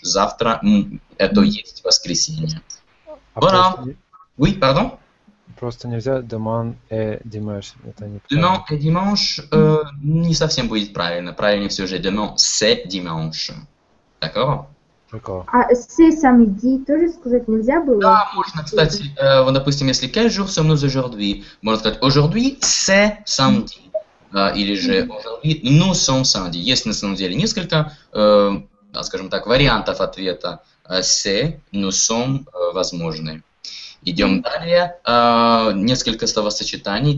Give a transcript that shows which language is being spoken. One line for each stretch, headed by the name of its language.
Russian: Завтра, это есть воскресенье.
French: Voilà. Oui, pardon?
Russian: Просто нельзя
French: demain et dimanche.
Russian: Это не
French: demain et dimanche
Russian: не совсем будет правильно. Правильнее все же
French: demain, c'est dimanche. D'accord? D'accord.
Russian: А
French: c'est samedi
Russian: тоже сказать нельзя было? Да, можно. Кстати, допустим, если
French: quel jour sommes-nous aujourd'hui,
Russian: можно сказать
French: aujourd'hui c'est samedi.
Russian: Или же
French: aujourd'hui nous sommes samedi.
Russian: Есть на самом деле несколько, скажем так, вариантов ответа
French: c'est, nous sommes
Russian: возможны. Идем далее. Несколько словосочетаний.